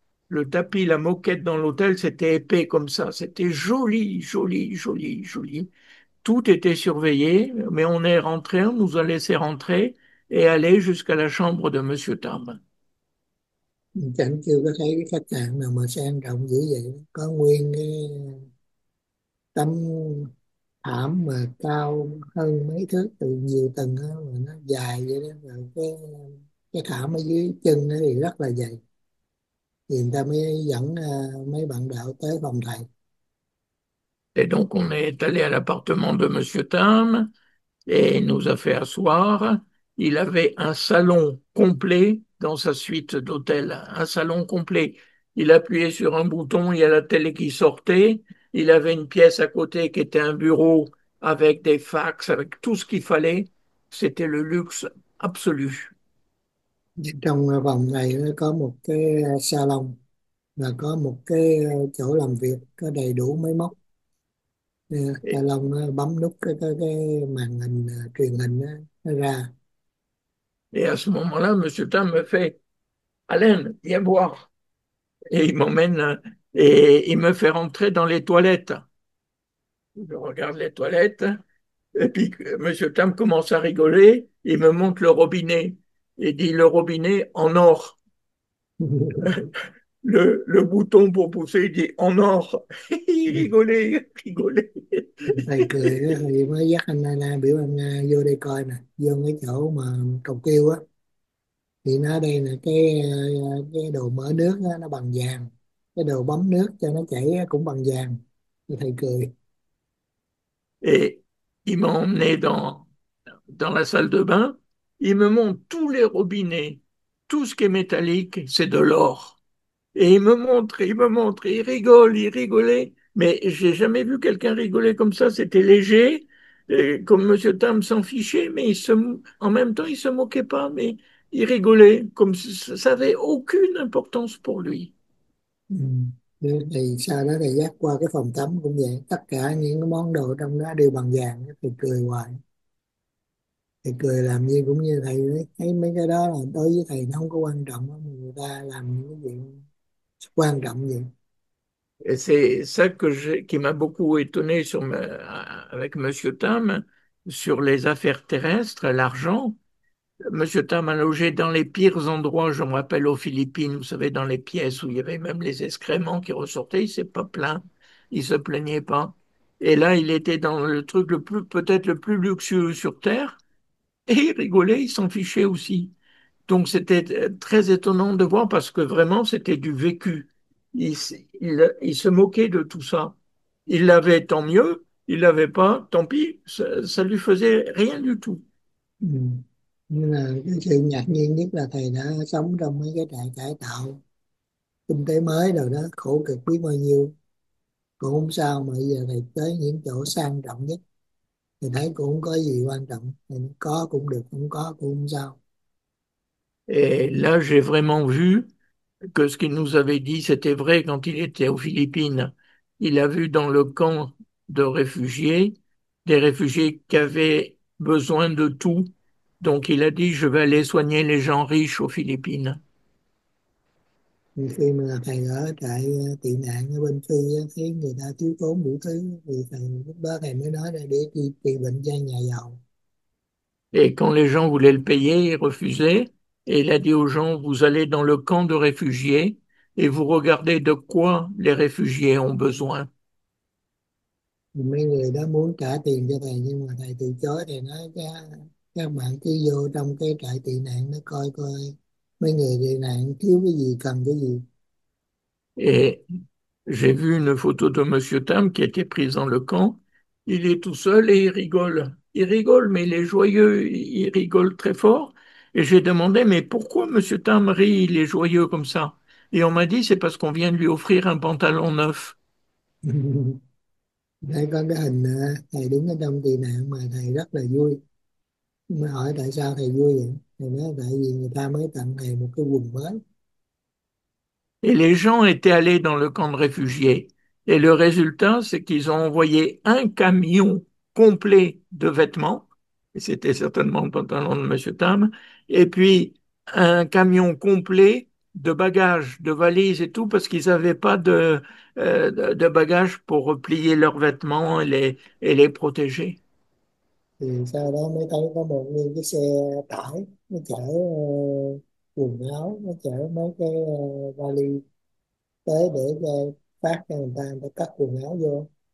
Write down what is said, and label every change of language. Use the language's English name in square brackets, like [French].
[French] Le tapis, la moquette dans l'hôtel, c'était épais comme ça. C'était joli, joli, joli, joli. Tout était surveillé, mais on est rentré, on nous a laissé rentrer. Et aller jusqu'à la chambre de Monsieur Tam. [Vietnamese] Chẳng chưa có thấy cái khách sạn nào mà sang trọng dữ vậy, có nguyên cái tấm thảm mà cao hơn mấy thước từ nhiều tầng đó, mà nó dài vậy đó, rồi cái thảm ở dưới chân nó thì rất là dày, thì người ta mới dẫn mấy bạn đạo tới phòng thầy. [French] Et donc on est allé à l'appartement de Monsieur Tam et il nous a fait asseoir. Il avait un salon complet dans sa suite d'hôtel, un salon complet. Il appuyait sur un bouton, il y a la télé qui sortait. Il avait une pièce à côté qui était un bureau avec des fax, avec tout ce qu'il fallait. C'était le luxe absolu. [Vietnamese] Trong phòng này nó có một cái salon và có một cái chỗ làm việc có đầy đủ máy móc. Salon nó bấm nút cái màn hình truyền hình nó ra. [French] Et à ce moment-là, Monsieur Tam me fait, Alain, viens voir. Et il m'emmène et il me fait rentrer dans les toilettes. Je regarde les toilettes et puis Monsieur Tam commence à rigoler. Il me montre le robinet et dit le robinet en or. Le bouton pour pousser, il dit en or. Il [Vietnamese] Thầy [French] rigolait, [Vietnamese] cười đó, [French] rigolait. [Vietnamese] thầy mới dắt anh Anna, biểu anh vô đây coi nè, vô cái chỗ mà cầu kêu á, thì nó đây nè, cái đồ mở nước đó, nó bằng vàng, cái đồ bấm nước cho nó chảy cũng bằng vàng, thì thầy cười. [French] Et il m'a emmené dans la salle de bain. Il me montre tous les robinets, tout ce qui est métallique, c'est de l'or. Et il me montre, il rigole, il rigolait. Mais j'ai jamais vu quelqu'un rigoler comme ça. C'était léger, et comme Monsieur Tam s'en fichait, mais en même temps, il se moquait pas, mais il rigolait, comme si ça avait aucune importance pour lui. [Vietnamese] Thì sau đó thì dắt qua cái phòng tắm cũng vậy, tất cả những cái món đồ trong đó đều bằng vàng, thì cười hoài, thì cười làm gì cũng như thầy ấy. Thấy mấy cái đó là đối với thầy nó không có quan trọng, người ta làm những cái chuyện quan trọng gì. [French] Et c'est ça qui m'a beaucoup étonné avec Monsieur Tam sur les affaires terrestres, l'argent. Monsieur Tam a logé dans les pires endroits, je me rappelle aux Philippines, vous savez, dans les pièces où il y avait même les excréments qui ressortaient, il s'est pas plaint, il se plaignait pas. Et là, il était dans le truc le plus, peut-être le plus luxueux sur Terre, et il rigolait, il s'en fichait aussi. Donc c'était très étonnant de voir parce que vraiment, c'était du vécu. Il se moquait de tout ça. Il l'avait, tant mieux. Il l'avait pas, tant pis. Ça lui faisait rien du tout. [Vietnamese] Nhưng là cái sự ngạc nhiên nhất là thầy đã sống trong mấy cái trại cải tạo kinh tế mới rồi đó, khổ cực biết bao nhiêu, cũng không sao mà bây giờ thầy tới những chỗ sang trọng nhất thì thấy cũng không có gì quan trọng, thầy có cũng được, không có cũng không sao. [French] Et là, j'ai vraiment vu que ce qu'il nous avait dit, c'était vrai quand il était aux Philippines. Il a vu dans le camp de réfugiés des réfugiés qui avaient besoin de tout. Donc il a dit, je vais aller soigner les gens riches aux Philippines. [Vietnamese] Khi mà thầy ở tại tị nạn ở bên Phi á, thấy người ta thiếu thốn đủ thứ thì thầy lúc đó thầy mới nói là để đi trị bệnh cho nhà giàu. [French] Et quand les gens voulaient le payer, il refusait. Et il a dit aux gens, vous allez dans le camp de réfugiés et vous regardez de quoi les réfugiés ont besoin. [Vietnamese] Mấy người đó muốn trả tiền cho thầy nhưng mà thầy từ chối, thầy nói các bạn cứ vô trong cái trại tị nạn nó coi coi mấy người tị nạn thiếu cái gì, cần cái gì. [French] Et j'ai vu une photo de Monsieur Tam qui était pris dans le camp. Il est tout seul et il rigole. Il rigole, mais il est joyeux, il rigole très fort. Et j'ai demandé, mais pourquoi Monsieur Tam rit, il est joyeux comme ça? Et on m'a dit, c'est parce qu'on vient de lui offrir un pantalon neuf. [Vietnamese] Đây có cái hình thầy đứng ở trong tị nạn mà thầy rất là vui. Mà hỏi tại sao thầy vui vậy? Thầy nói tại vì người ta mới tặng thầy một cái quần mới. [French] Et les gens étaient allés dans le camp de réfugiés. Et le résultat, c'est qu'ils ont envoyé un camion complet de vêtements, et c'était certainement le pantalon de M. Tam, et puis un camion complet de bagages, de valises et tout, parce qu'ils n'avaient pas de bagages pour replier leurs vêtements et les protéger. [Vietnamese] Thì sau đó mới thấy có một nguyên cái xe tải nó chở quần áo, nó chở mấy cái vali tới để phát cho người ta cắt quần áo vô.